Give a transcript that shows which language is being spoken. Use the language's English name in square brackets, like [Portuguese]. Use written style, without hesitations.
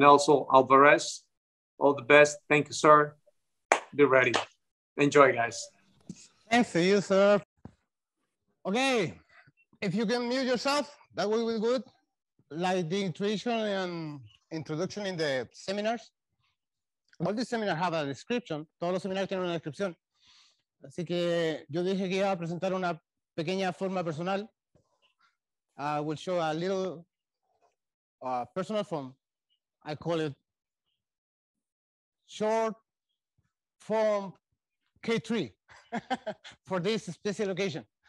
[English] Nelson Alvarez. All the best. Thank you, sir. Be ready. Enjoy, guys. Thanks to you, sir. Okay. If you can mute yourself, that will be good. Like the introduction and introduction in the seminars. All the seminars have a description. [Spanish] Todos los seminarios tienen una descripción. Así que yo dije que iba a presentar una pequeña forma personal. [English] I will show a little personal form. I call it short form K3 for this special occasion.